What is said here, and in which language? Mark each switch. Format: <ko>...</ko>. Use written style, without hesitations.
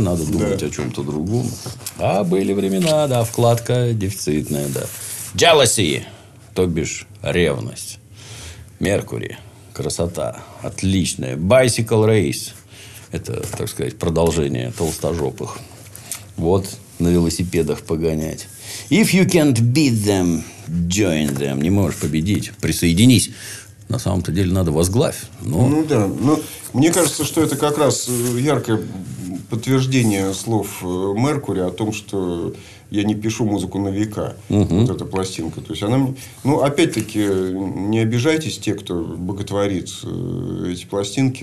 <ru>Надо думать о чем-то другом. А были времена, да, вкладка дефицитная, да. Jealousy. То бишь, ревность. Меркурий. Красота. Отличная. Bicycle Race. Это, так сказать, продолжение толстожопых. Вот, на велосипедах погонять.</ru> <en>If you can't beat them, join them.</en> <ru>Не можешь победить, присоединись. На самом-то деле надо возглавь. Но... Ну да. Но мне кажется, что это как раз яркое подтверждение слов Меркурия о том, что... Я не пишу музыку на века. Угу. Вот эта пластинка. То есть она мне... Ну, опять-таки, не обижайтесь те, кто боготворит эти пластинки.</ru>